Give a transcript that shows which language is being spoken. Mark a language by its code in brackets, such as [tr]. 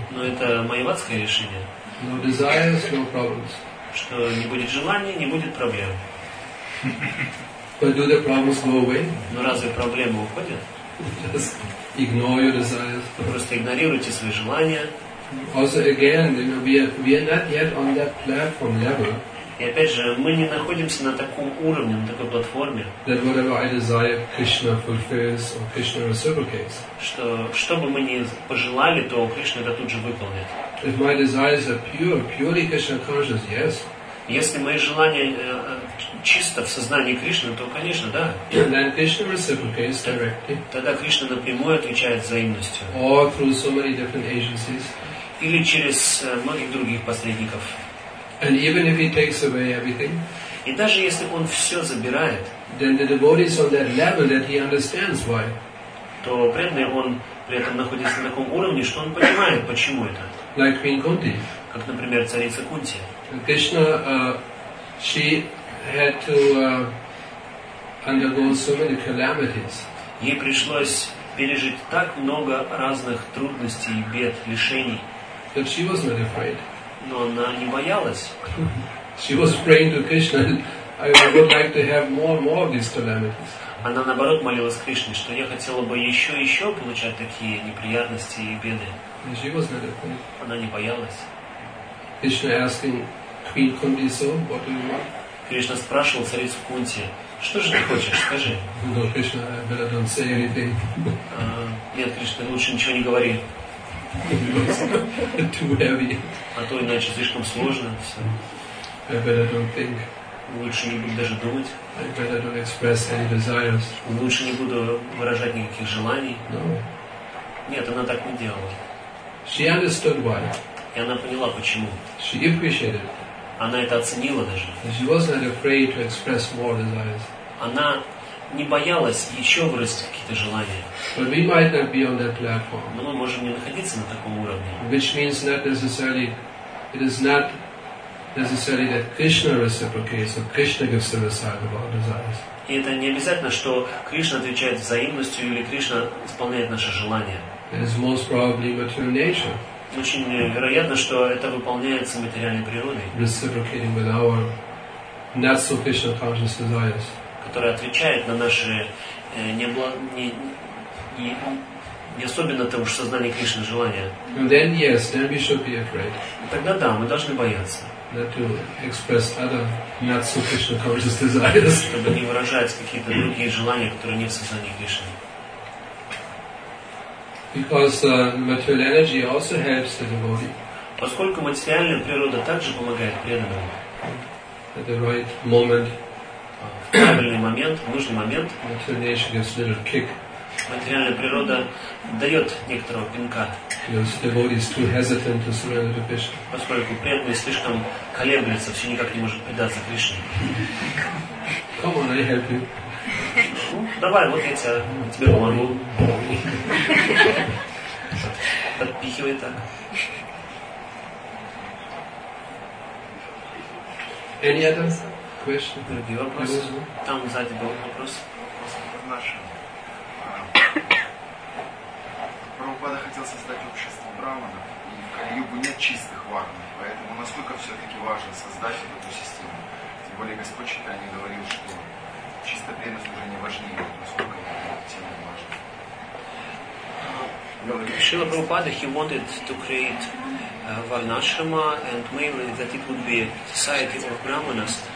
[ru] Но это майявадское решение. [en] No desires, no problems. [ru] Что не будет желаний, не будет проблем. [en] But do the problems go away? [ru] Но разве проблемы уходят? [en] Just ignore your desires. [ru] Вы просто игнорируете свои желания. [en] Also again, you know, we are not yet on that platform level. [ru] И опять же, мы не находимся на таком уровне, на такой платформе, [en] that whatever I desire, Krishna fulfills or Krishna reciprocates. [ru] Что, что бы мы ни пожелали, то Кришна это тут же выполнит. [en] If my desires are pure, purely Krishna conscious, yes. [ru] Если мои желания чисто в сознании Кришны, то, конечно, да. [en] Then Krishna reciprocates directly. [ru] Тогда Кришна напрямую отвечает взаимностью. [en] Or through so many different agencies. [ru] Или через многих других посредников. [en] And even if he takes away everything, [ru] и даже если он все забирает, [en] then the devotee is on that level that he understands why. [ru] То преданный он при этом находится на таком уровне, что он понимает, почему это. [en] Like Queen Kunti. [ru] Как, например, царица Кунти. [en] Krishna, she had to undergo so many calamities. [ru] Ей пришлось пережить так много разных трудностей, бед, лишений. [en] But she was not afraid. [ru] Но она не боялась. [en] She was praying to Krishna, I would like to have more and more of these calamities. [ru] Она наоборот молилась Кришне, что я хотела бы еще и еще получать такие неприятности и беды. [en] She was not afraid. [ru] Она не боялась. [en] Krishna asking Queen Kunti, so what do you want? [ru] Кришна спрашивал царицу Кунти, что же ты хочешь, скажи. [en] No, Krishna, I better don't say anything. [ru] Нет, Кришна, лучше ничего не говори. [en] Too heavy. [ru] А то иначе слишком сложно все. [en] I better don't think. [ru] Лучше не буду даже думать. [en] I better don't express any desires. [ru] Лучше не буду выражать никаких желаний. [en] No. [ru] Нет, она так не делала. [en] She understood why. [ru] И она поняла почему. [en] She appreciated. [ru] Она это оценила даже. [en] She was not afraid to express more desires. [ru] Она не боялась еще вырастить какие-то желания. [en] But we might not be on that platform. [ru] Но мы можем не находиться на таком уровне. [en] Which means not necessarily, it is not necessarily that Krishna reciprocates or Krishna gives the result of our desires. [ru] И это не обязательно, что Кришна отвечает взаимностью или Кришна исполняет наши желания. [en] It is most probably material nature. [ru] Очень вероятно, что это выполняется материальной природой. [en] Reciprocating with our not so Krishna conscious desires. [ru] Которая отвечает на наши не особенно того же сознания Кришны желания. [en] And then yes, then we should be afraid. [ru] Тогда да, мы должны бояться. [en] Not to express other not so Krishna conscious desires. [ru] Чтобы не выражать какие-то другие желания, которые не в сознании Кришны. [en] Because material energy also helps the devotee. [ru] Поскольку материальная природа также помогает преданному. [en] At the right moment. [ru] В правильный момент, в нужный момент. [en] Material energy gives a little kick. [ru] Материальная природа дает некоторого пинка. [en] Because devotee is too hesitant to surrender to Krishna. [ru] Поскольку преданный слишком колеблется, все никак не может предаться Кришне. [en] Come on, I help you. [ru] Давай, вот я тебе помогу. Подпихивай так. [en] Any other question? [ru] Другие вопросы? Там сзади был вопрос. Прабхупада хотел создать общество брахманов, и в Кали-Югу нет чистых варнов, поэтому насколько все-таки важно создать эту систему? Тем более Господь Читание говорил, что чисто преданное служение важнее, насколько эта тема важна. [en] Шрила Прабхупада, he wanted to create Varnashrama, and mainly that it would be society of brahmanas.